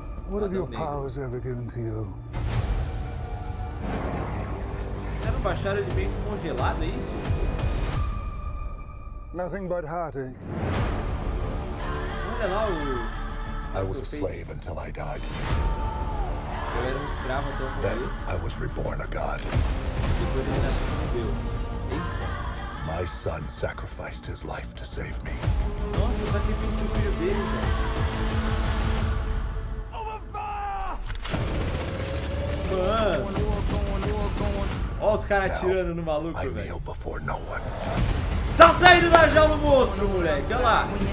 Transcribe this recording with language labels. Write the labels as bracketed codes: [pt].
[en] What have your powers ever given to you? [pt] Não baixaram ele meio congelado, é isso? [en] Nothing but heartache. [pt] Olha lá o. [en] I was a slave until I died. [pt] Eu era um escravo até eu morrer. [en] I was reborn a god. [pt] Depois ele nasceu como Deus. [en] My son sacrificed his life to save me. [pt] Nossa, só tinha visto o filho dele, velho. Mano. Ó os caras atirando no maluco, velho. No tá saindo da jaula o monstro, moleque. Olha lá.